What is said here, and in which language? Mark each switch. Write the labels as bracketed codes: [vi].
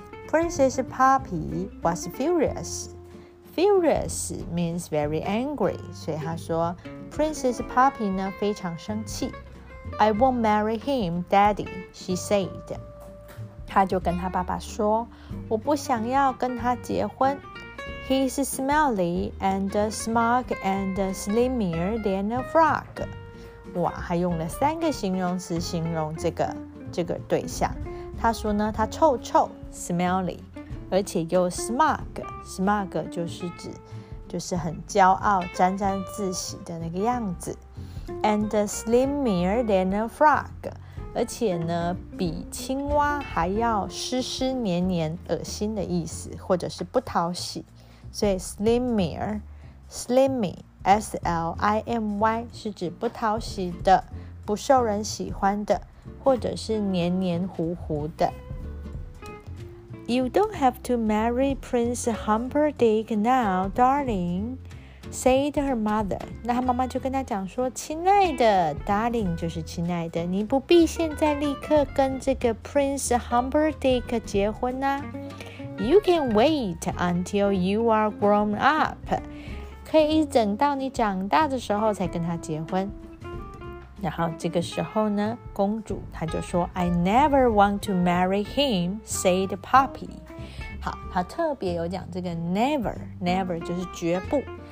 [en] Princess Poppy was furious. Furious means very angry. [zh] 所以他说 Princess Poppy 呢非常生气。 [en] I won't marry him, Daddy, she said. [zh] 他就跟他爸爸说我不想要跟他结婚。 [en] He's smelly and smug and slimmer than a frog. [zh] 哇他用了三个形容词形容这个对象。他说呢他臭臭 smelly 而且又 smug 就是指就是很骄傲沾沾自喜的那个样子 [en] and slimmer than a frog [zh] 而且呢比青蛙还要湿湿黏黏恶心的意思或者是不讨喜所以 slimy slimy 是指不讨喜的不受人喜欢的或者是黏黏糊糊的。 [en] You don't have to marry Prince Humperdinck now, darling, said her mother. [zh] 那她妈妈就跟她讲说，亲爱的 ，darling 就是亲爱的，你不必现在立刻跟这个 Prince Humperdinck 结婚啊。 [en] You can wait until you are grown up. [zh] 可以一直等到你长大的时候才跟他结婚。然后这个时候呢公主她就说 [en] I never want to marry him, said Poppy. [zh] 好她特别有讲这个 never 就是绝不。